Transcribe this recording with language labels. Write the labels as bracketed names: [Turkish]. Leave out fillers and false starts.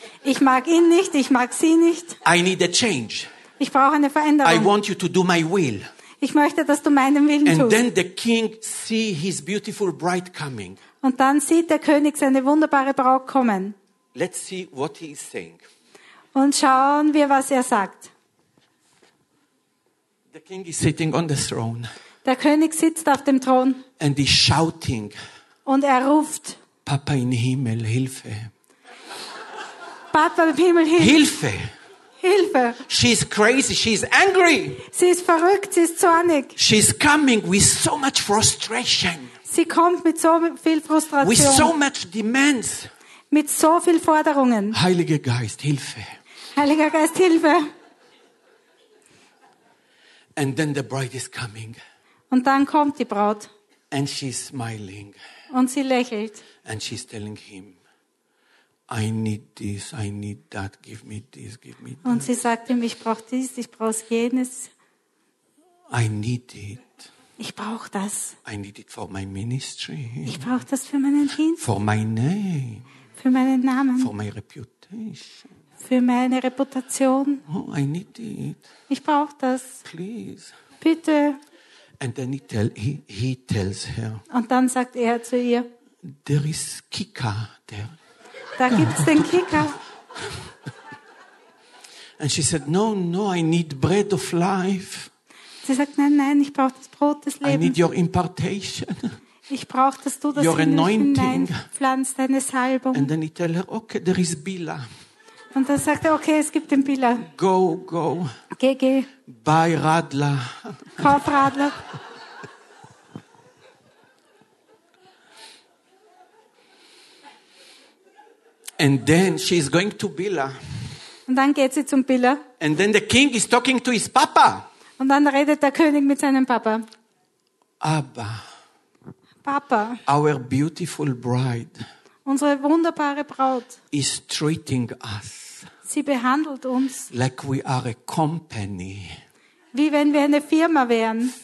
[German] Ich mag ihn nicht, ich mag sie nicht. [English] I need a change. [German] Ich brauche eine Veränderung. [English] I want you to do my will. [German] Ich möchte, dass du meinen Willen [English] and [German] tust. [English] And then the king see his beautiful bride coming. [German] Und dann sieht der König seine wunderbare Braut kommen. [English] Let's see what he is saying. [German] Und schauen wir, was er sagt. [English] The king is sitting on the throne. [German] Der König sitzt auf dem Thron. [English] And he's shouting. [German] Und er ruft. Papa im Himmel, Hilfe. Papa im Himmel, Hilfe. Hilfe. Hilfe. [English] She's crazy. She's angry. [German] Sie ist verrückt. Sie ist zornig. [English] She's coming with so much frustration. [German] Sie kommt mit so viel Frustration. [English] With so much demands. [German] Mit so viel Forderungen. Heiliger Geist, Hilfe. Heiliger Geist, Hilfe. [English] And then the bride is coming. [German] Und dann kommt die Braut. [English] And she's smiling. [German] Und sie lächelt. [English] And she's telling him, I need this, I need that, give me this, give me that. [German] Und sie sagt ihm, ich brauche dies, ich brauche jenes. [English] I need it. [German] Ich brauche das. [English] I need it for my ministry. [German] Ich brauche das für meinen Dienst. [English] For my name. [German] Für meinen Namen. [English] For my reputation. [German] Für meine Reputation. [English] Oh, I need it. [German] Ich brauche das. [English] Please. [German] Bitte. [English] And then he tells her. [German] Und dann sagt er zu ihr. [English] There is Kika there. [German] Da gibt's den Kika. [English] And she said, no, no, I need bread of life. [German] Sie sagt, nein, nein, ich brauche das Brot des Lebens. [English] I need your impartation. [German] Ich brauche, dass du das [English] your in anointing. [German] Pflanzt, deine Salbung. [English] And then he tell her, okay, there is Bila. [German] Und dann sagt er, okay, es gibt den Bila. [English] Go, go. [German] Geh, geh. [English] Buy Radler. [German] Kauf Radler. [English] And then she is going to Bila. [German] Und dann geht sie zum Bila. [English] And then the king is talking to his Papa. [German] Und dann redet der König mit seinem Papa. [English] Abba. [German] Papa. [English] Our beautiful bride. [German] Unsere wunderbare Braut. [English] Is treating us. [German] Sie behandelt uns. [English] Like we are a company. [German] Wie wenn wir eine Firma wären.